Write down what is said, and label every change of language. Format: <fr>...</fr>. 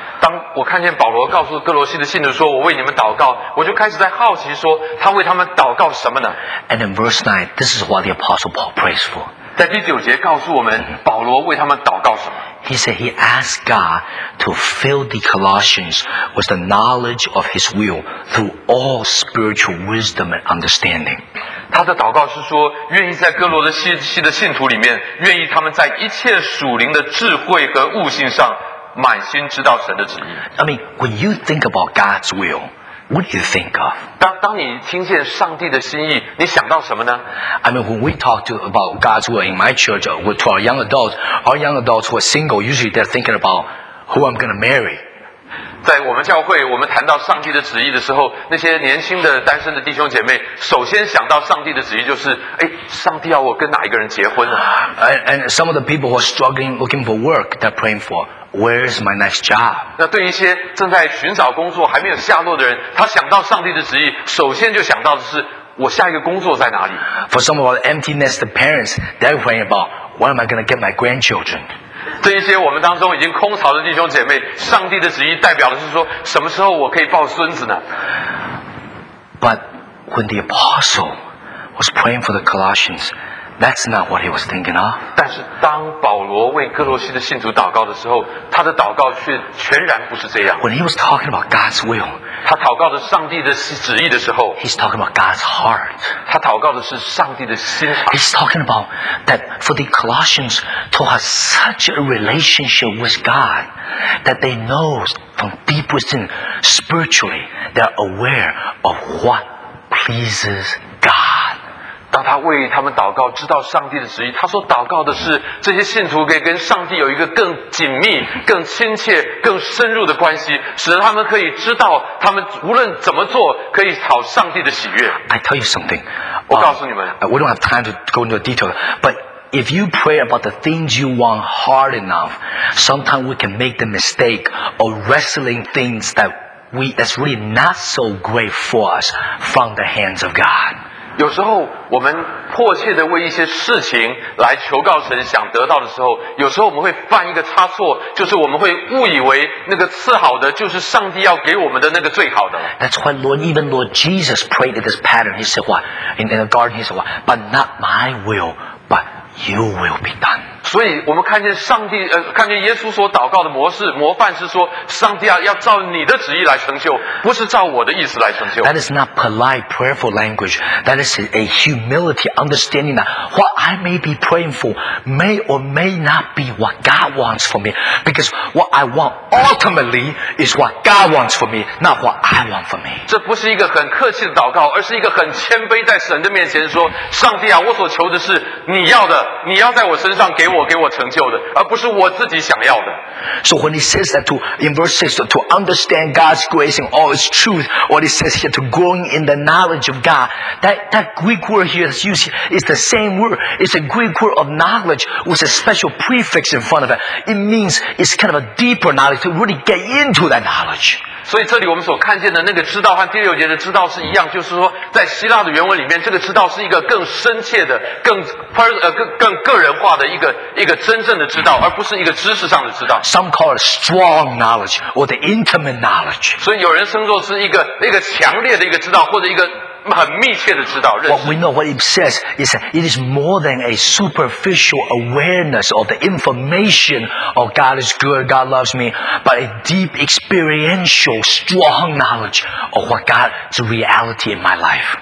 <zh>当我看见保罗告诉哥罗西的信徒说我为你们祷告，我就开始在好奇说他为他们祷告什么呢。</zh> <en>And in verse 9, this is what the Apostle Paul prays for.</en> <zh>在第九节告诉我们保罗为他们祷告什么。</zh> <en>He said he asked God to fill the Colossians with the knowledge of his will through all spiritual wisdom and understanding.</en> <zh>他的祷告是说愿意在哥罗西的信徒里面，愿意他们在一切属灵的智慧和悟性上满心知道神的旨意。</zh> <en>I mean, when you think about God's will, what do you think of?</en> <zh>当你听见上帝的心意，你想到什么呢？</zh> <en>I mean, when we talk to about God's will in my church or to our young adults who are single, usually they're thinking about who I'm going to marry.</en> <zh>在我们教会，我们谈到上帝的旨意的时候，那些年轻的单身的弟兄姐妹，首先想到上帝的旨意就是，哎，上帝要我跟哪一个人结婚啊？</zh> <en>And some of the people who are struggling looking for work, they're praying for. Where is my next job?</en> <zh>那对一些正在寻找工作还没有下落的人，他想到上帝的旨意，首先就想到的是我下一个工作在哪里。</zh> <en>For some of our empty nest parents, they're worrying about where am I going to get my grandchildren?</en> <zh>这一些我们当中已经空巢的弟兄姐妹，上帝的旨意代表的是说，什么时候我可以抱孙子呢？</zh> <en>But when the apostle was praying for the Colossians. That's not what he was thinking of.</en> <zh>但是当保罗为哥罗西的信徒祷告的时候，他的祷告却全然不是这样。</zh> <en>When he was talking about God's will,</en> <zh>他祷告的上帝的旨意的时候，</zh> <en>he's talking about God's heart.</en> <zh>他祷告的是上帝的心肠。</zh> <en>He's talking about that for the Colossians to have such a relationship with God that they know from deep within spiritually they're aware of what pleases God.</en> <zh>当他为他们祷告，知道上帝的旨意，他所祷告的是这些信徒可以跟上帝有一个更紧密、更亲切、更深入的关系，使得他们可以知道他们无论怎么做可以讨上帝的喜悦。</zh> <en>I tell you something.</en> <zh>我告诉你们。</zh> <en>We don't have time to go into detail, but if you pray about the things you want hard enough, sometimes we can make the mistake of wrestling things that's really not so great for us from the hands of God.</en> <zh>有时候我们迫切地为一些事情来求告神，想得到的时候，有时候我们会犯一个差错，就是我们会误以为那个赐好的就是上帝要给我们的那个最好的。</zh> <en>That's why Lord Jesus prayed this pattern. He said what? In the garden, he said what? But not my will, but you will be done.</en> <zh>所以我们看见上帝，看见耶稣所祷告的模式模范是说，上帝啊，要照你的旨意来成就，不是照我的意思来成就。</zh> <en>That is not polite prayerful language. That is a humility understanding that what I may be praying for may or may not be what God wants for me. Because what I want ultimately is what God wants for me, not what I want for me.</en> <zh>这不是一个很客气的祷告，而是一个很谦卑在神的面前说，上帝啊，我所求的是你要的，你要在我身上给我。</zh> <en>So when he says that to in verse 6 to understand God's grace and all its truth, what he says here to growing in the knowledge of God, that Greek word here that's used here is the same word. It's a Greek word of knowledge with a special prefix in front of it. It means it's kind of a deeper knowledge to really get into that knowledge.</en> <zh>所以这里我们所看见的那个知道和第六节的知道是一样，就是说在希腊的原文里面，这个知道是一个更深切的、更个人化的一个真正的知道，而不是一个知识上的知道。</zh> <en>Some call it strong knowledge or the intimate knowledge.</en> <zh>所以有人称作是一个强烈的一个知道，或者一个很密切的知道认识。</zh> <en>What we know, what it says is it is more than a superficial awareness of the information of God is good, God loves me, but a deep experiential, strong knowledge of what God's reality in my life.</en>